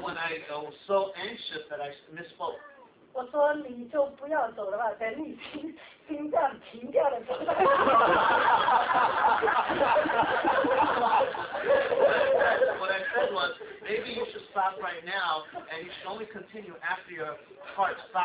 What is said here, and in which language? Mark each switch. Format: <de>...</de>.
<en>when I was so anxious that I misspoke.</en> <zh>我说你就不要走了吧，等你心脏停掉了之后。</zh> <en>What I said was, maybe you should stop right now, and you should only continue after your heart</en>